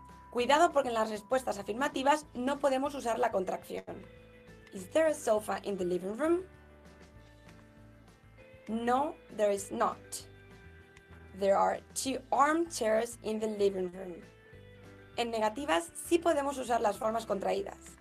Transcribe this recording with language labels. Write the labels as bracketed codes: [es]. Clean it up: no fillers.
[es] Cuidado porque en las respuestas afirmativas no podemos usar la contracción. [en] Is there a sofa in the living room? No, there is not. There are two armchairs in the living room. [es] En negativas sí podemos usar las formas contraídas.